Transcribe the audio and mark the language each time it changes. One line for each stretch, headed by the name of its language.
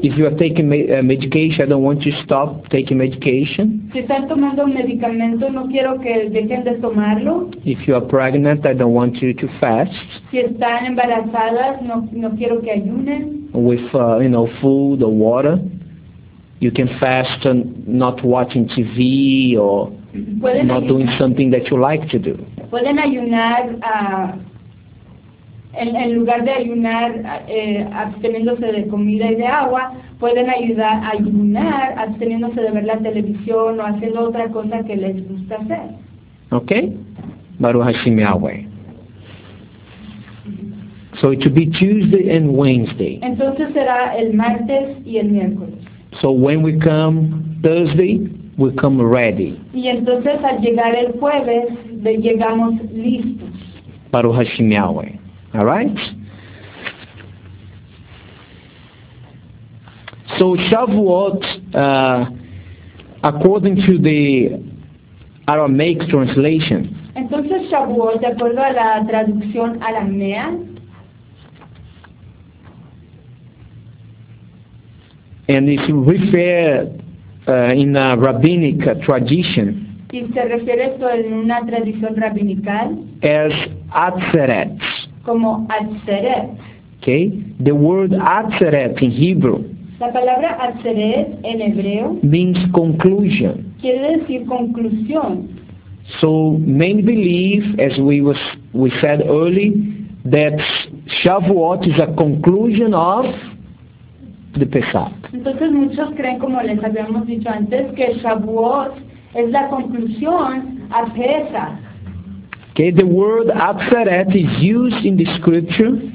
English: If you are taking medication, I don't want you to stop taking medication.
Spanish: Si están tomando un medicamento, no quiero que dejen de tomarlo.
English: If you are pregnant, I don't want you to fast.
Spanish: Si están embarazadas, no quiero que ayunen.
English: With, you know, food or water. You can fast and not watching TV or
Spanish: pueden
English: not doing something that you like to do.
Spanish: Pueden ayunar en lugar de ayunar absteniéndose de comida y de agua, pueden ayunar absteniéndose de ver la televisión o haciendo otra cosa que les gusta hacer.
English: Okay?
Hebrew: Baruch Hashem Yahweh.
English: So it should be Tuesday and Wednesday.
Spanish: Entonces será el martes y el miércoles.
English: So when we come Thursday, we come ready.
Spanish: Y entonces al llegar el jueves, llegamos listos.
Hebrew: Baruch Hashem Yahweh.
English: All right? So Shavuot, according to the Aramaic translation.
Spanish: Entonces Shavuot, de acuerdo a la traducción aramea.
English: And if you refer in a rabbinic tradition,
Spanish: y se refiere esto en una tradición rabinical,
English: as atzeret,
Spanish: como atzeret.
English: Okay, the word atzeret in Hebrew,
Spanish: la palabra atzeret en hebreo,
English: means conclusion.
Spanish: Quiere decir conclusión.
English: So many believe, as we said early, that Shavuot is a conclusion of the Pesach.
Spanish: Entonces muchos creen, como les habíamos dicho antes, que Shavuot es la conclusión a Pesach.
English: Okay, the word Atzeret is used in the scripture.